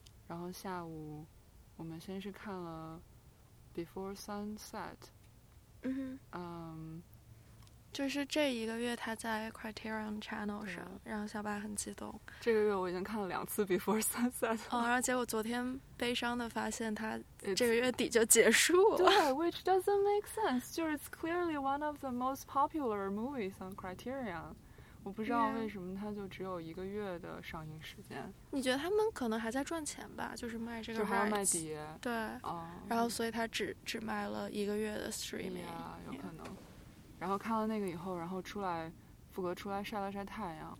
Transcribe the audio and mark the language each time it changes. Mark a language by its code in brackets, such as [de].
[zh] 然后下午我们先是看了《Before Sunset》。嗯，就是这一个月他在 Criterion Channel 上，让小白很激动。这个月我已经看了两次 Before Sunset 了。哦，然后结果昨天悲伤的发现他这个月底就结束了。 [en] 对 ，which doesn't make sense， [zh] 就是 [en] it's clearly one of the most popular movies on Criterion。 [zh] 我不知道为什么他就只有一个月的上映时间。 [en] Yeah. [zh] 你觉得他们可能还在赚钱吧？就是卖这个，就还要卖碟。对，然后所以他只卖了一个月的 streaming， yeah, 有可能。Yeah. 然后看了那个以后，然后出来，富哥出来晒了晒太阳。